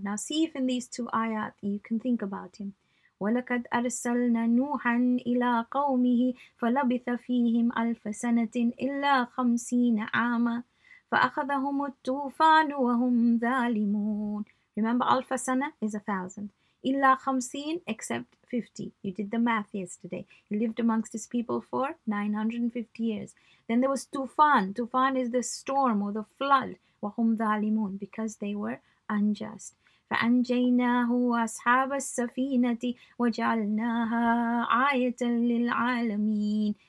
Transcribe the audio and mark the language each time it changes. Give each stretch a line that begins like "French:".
English: Now see if in these two ayat, you can think about him.
Arabic: وَلَكَدْ أَرْسَلْنَا نُوحًا إِلَىٰ قَوْمِهِ فَلَبِثَ فِيهِمْ أَلْفَ سَنَةٍ إِلَّا خَمْسِينَ عَامًا فَأَخَذَهُمُ الطُّوفَانُ وَهُمْ ظَالِمُونَ.
English: Remember,
Arabic: أَلْفَ سَنَةٍ
English: is 1,000.
Arabic: إِلَّا خَمْسِينَ
English: except 50. You did the math yesterday. He lived amongst his people for 950 years. Then there was طوفان. طوفان is the storm or the flood.
Arabic: وَهُمْ ظَالِمُونَ
English: because they were unjust.
Arabic: فَأَنْجَيْنَاهُ أَصْحَابَ السَّفِينَةِ وَجَعَلْنَاهَا آيَةً لِلْعَالَمِينَ.